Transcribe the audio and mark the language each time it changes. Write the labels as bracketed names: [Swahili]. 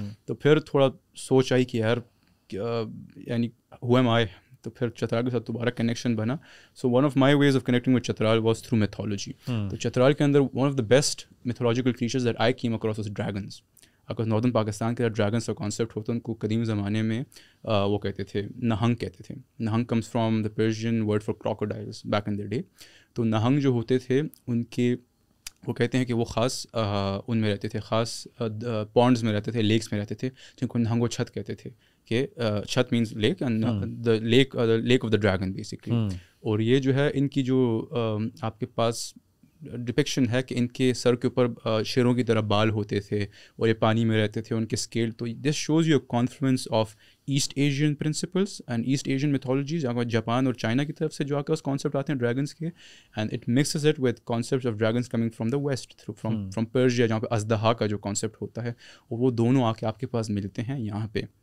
[Urdu] تو پھر تھوڑا سوچ آئی کہ یار یعنی [English] who am I, [Urdu] تو پھر چترال کے ساتھ دوبارہ کنیکشن بنا. [English] So one of my ways of connecting with Chitral was through mythology. [Urdu] تو چترال کے اندر [English] One of the best mythological creatures that I came across was dragons. [Urdu] اگر ناردرن پاکستان کے ڈریگنس کا کانسیپٹ ہوتا ہے, ان کو قدیم زمانے میں وہ کہتے تھے نہنگ کہتے تھے. [English] نہنگ comes from the Persian word for crocodiles back in the day. [Urdu] تو نہنگ جو ہوتے تھے ان کے, وہ کہتے ہیں کہ وہ خاص ان میں رہتے تھے, خاص پونڈز میں رہتے تھے, لیکس میں رہتے تھے, جن کو نہنگ و چھت کہتے تھے, کہ چھت [English] Means lake and the lake of the dragon basically. [Urdu] اور یہ جو ہے ان کی جو آپ کے پاس ڈپکشن ہے کہ ان کے سر کے اوپر شیروں کی طرح بال ہوتے تھے اور یہ پانی میں رہتے تھے, ان کے اسکیل, تو [English] this shows you confluence of East Asian principles and East Asian mythologies, [Urdu] Japan اور چائنا کی طرف سے جو آ کے اس کانسیپٹ آتے ہیں ڈریگنس کے, [English] and it mixes it with concept of dragons coming from the west through from Persia, [Urdu] جہاں پہ ازدہا کا جو کانسیپٹ ہوتا ہے, اور وہ دونوں آ کے آپ کے پاس ملتے ہیں یہاں پہ.